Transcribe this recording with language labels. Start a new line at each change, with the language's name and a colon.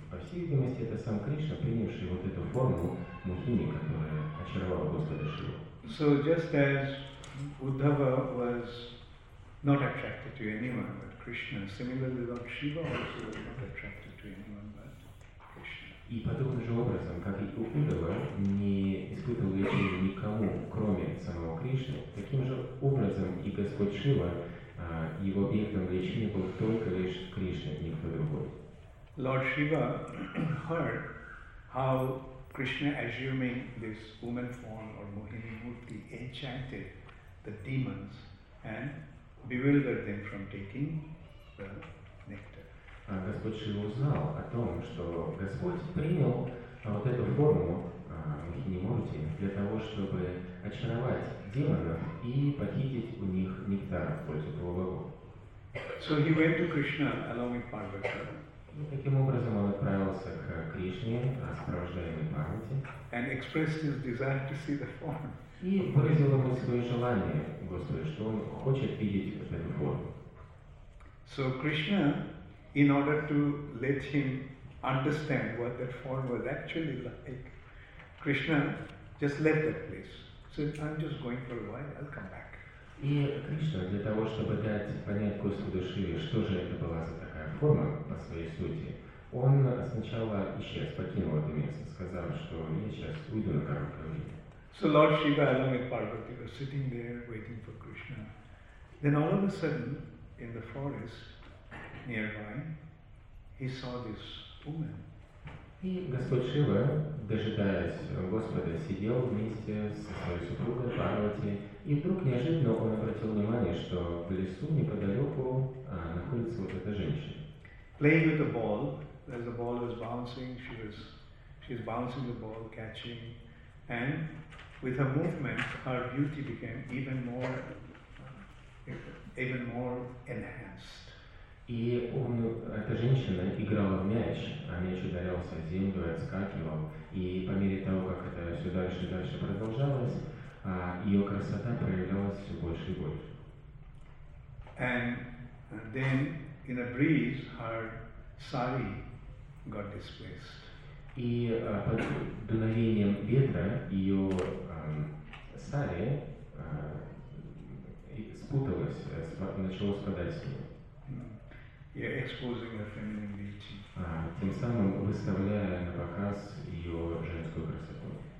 Russian: По всей видимости, это сам Кришна, принявший вот эту форму мухини, которая очаровала Господа Шиву.
English: So just as Uddhava was not attracted to anyone but Krishna, similarly Lord Shiva also was not attracted to anyone but Krishna.
Russian: И подобным же образом, как и Удава не испытывал влечения никому, кроме самого Кришны, таким же образом и Господь Шива, его объектом влечения был только лишь Кришна, никто другой.
English: Lord Shiva heard how Krishna, assuming this woman form or Mohini Murti, enchanted the demons and bewildered them from taking the nectar.
Russian: А Господь Шива узнал о том, что Господь принял вот эту форму Мохини Мурти для того, чтобы очаровать демонов и похитить у них нектар в пользу полубогов.
English: So he went to Krishna along with Parvati.
Russian: Ну, таким образом он отправился к Кришне, сопровождаемый Парвати.
English: And expressed his desire to see the form.
Russian: И выразил ему свое желание, Господи, что он хочет видеть вот эту форму.
English: So Krishna, in order to let him understand what that form was actually like, Krishna just left that place. So I'm just going for a while, I'll come back.
Russian: И Кришна, для того, чтобы дать понять Господу Шиве, что же это была за такая форма по своей сути, он сначала исчез, покинул это место, сказав, что я сейчас уйду на короткое время.
English: So Lord Shiva along with Parvati was sitting there waiting for Krishna. Then all of a sudden, in the forest nearby, he saw this woman.
Russian: И Господь Шива, дожидаясь Господа, сидел вместе со своей супругой Парвати, и вдруг неожиданно он обратил внимание, что в лесу неподалеку находится вот эта женщина.
English: Playing with the ball, as the ball was bouncing, she was bouncing the ball, catching, and with her movement, her beauty became even more enhanced.
Russian: И он, эта женщина играла в мяч, а мяч ударялся в землю и отскакивал. И по мере того, как это все дальше и дальше продолжалось, ее красота проявлялась все больше и больше.
English: And then in a breeze her sari got displaced.
Russian: И под дуновением ветра ее сари спуталось, начало спадать с ней.
English: Yeah, exposing her feminine beauty.
Russian: Тем самым выставляя на показ ее женскую красоту.